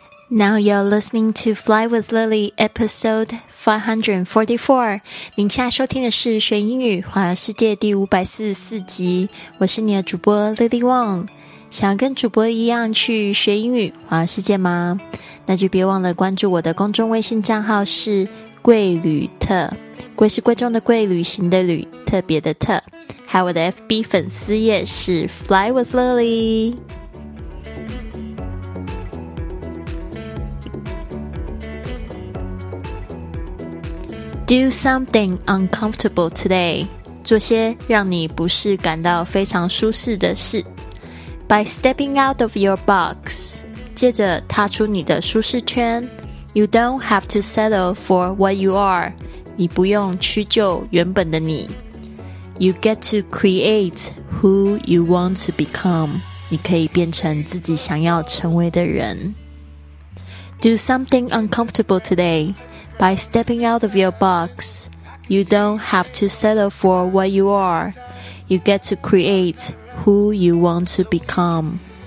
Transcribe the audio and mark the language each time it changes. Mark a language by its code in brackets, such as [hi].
[en] Now you're listening to Fly with Lily, episode 544. [zh] 您现在收听的是学英语环游世界第544集。我是你的主播 Lily Wong。想要跟主播一样去学英语环游世界吗？那就别忘了关注我的公众微信账号是贵旅特。贵是贵重的贵，旅行的旅，特别的特。还有我的 FB 粉丝页是 Fly with Lily。 [en] Do something uncomfortable today. [zh] 做些让你不是感到非常舒适的事。 [en] By stepping out of your box, [zh] 接着踏出你的舒适圈。 [en] You don't have to settle for what you are. [zh] 你不用屈就原本的你。 [en] You get to create who you want to become. [zh] 你可以变成自己想要成为的人。 [en] Do something uncomfortable today. By stepping out of your box, you don't have to settle for what you are. You get to create who you want to become.